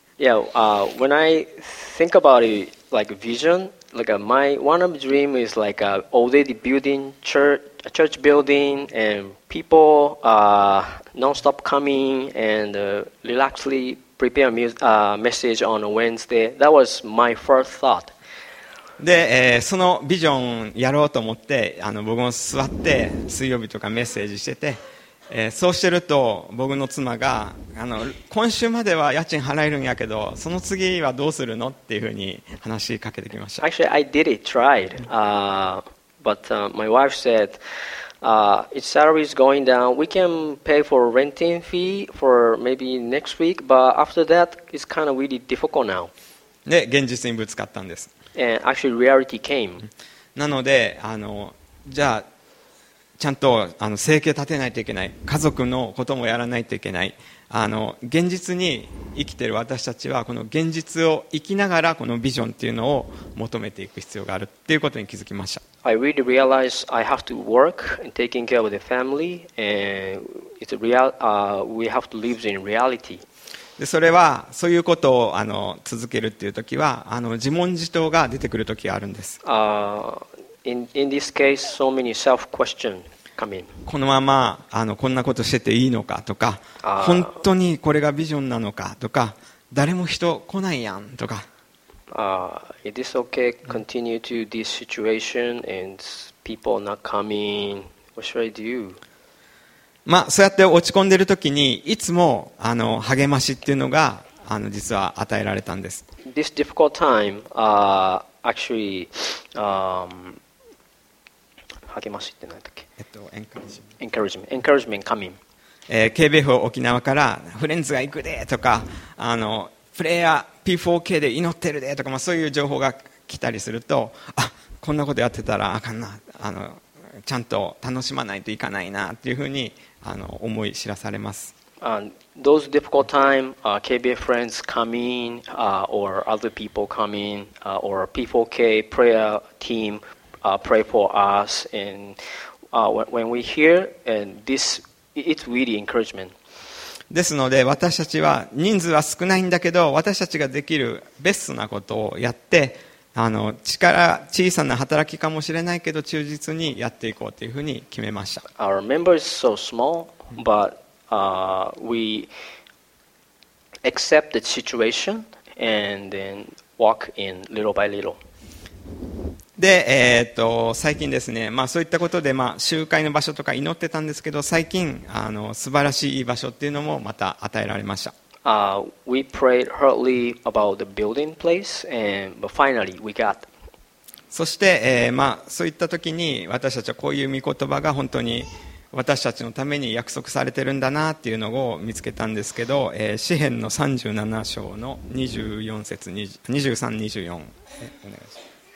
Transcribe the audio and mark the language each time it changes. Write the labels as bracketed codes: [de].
[en] when I think about it, like vision, like my one of dream is like a already building church, a church building, and people non-stop coming and relaxedly prepare a message on Wednesday. That was my first thought. [ja] で、そのビジョンやろうと思って、僕も座って水曜日とかメッセージしてて、そうしてると僕の妻が今週までは家賃払えるんやけど、その次はどうするのっていうふうに話しかけてきました。 [en] Actually, I did it, tried. But my wife said, its salary is going down. We can pay for renting fee for maybe next week, but after that, it's kind of really difficult now. [ja] で、現実にぶつかったんです。 [en] And actually, reality came. [ja] なのでじゃあちゃんと生計立てないといけない、家族のこともやらないといけない、現実に生きている私たちはこの現実を生きながらこのビジョンっていうのを求めていく必要があるっていうことに気づきました。 [en] I really realized I have to work and taking care of the family and it's real, we have to live in reality. [ja] でそれはそういうことを続けるっていう時は自問自答が出てくる時があるんです。 [en] In this case, so many self-question come in. [ja] このままこんなことしてていいのかとか、本当にこれがビジョンなのかとか、誰も人来ないやんとか。 [en] Is this okay? Continue to this situation and people not coming. What should I do? [ja] まあ、そうやって落ち込んでいるときにいつも励ましっていうのが実は与えられたんです。 [en] This difficult time, actually, [ja] 励ましって何だっけ、 [en] Encouragement coming. [ja] KBF 沖縄からフレンズが行くでとか、プレイヤー P4K で祈ってるでとか、まあ、そういう情報が来たりすると、あ、こんなことやってたらあかんな、ちゃんと楽しまないといかないなっていうふうに思い知らされます。 [en] Those difficult times, KBA friends coming, or other people coming, or P4K prayer team pray for us, and when we hear, and this, it's really encouragement. [ja] ですので私たちは人数は少ないんだけど、私たちができるベストなことをやって、力、小さな働きかもしれないけど忠実にやっていこうというふうに決めました。 [en] Our member is so small, but we accept the situation and then walk in little by little. [ja] で、最近ですね、まあ、そういったことで、まあ、集会の場所とか祈ってたんですけど、最近素晴らしい場所っていうのもまた与えられました。 [en] We prayed hurriedly about the building place, and but finally we got. [ja] そして、まあ、そういった時に私たちはこういう御言葉が本当に私たちのために約束されてるんだなっていうのを見つけたんですけど、詩編の37章の24節23-24、お願いします。